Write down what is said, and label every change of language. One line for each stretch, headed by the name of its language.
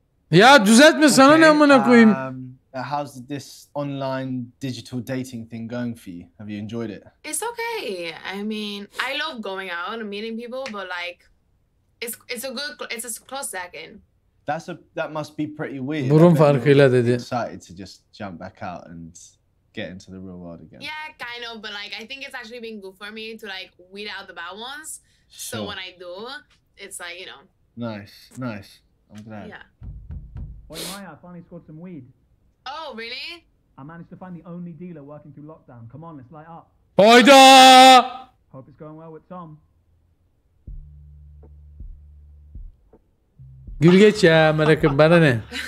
Turkish: Ya düzeltme, okay, sana ne amına koyayım.
English: How's this online digital dating thing going for you? Have you enjoyed it? It's okay. I mean, I love going out and meeting people, but like it's a close second. That must be pretty weird.
Turkish: Burun farkıyla dedi.
English: Excited to just jump back out and get into the real world again. Yeah, kind of, but like I think it's actually been good for me to like weed out the bad ones. Sure. So when I do, it's like, you know. Nice. I'm glad. Yeah. Oi, Maya, I finally scored some weed. Oh, really? I managed to find the only dealer working through lockdown. Come on, let's light up.
Turkish: Hayda!
English: Hope it's going well with Tom.
Turkish: Gül geç ya merakım bana ne?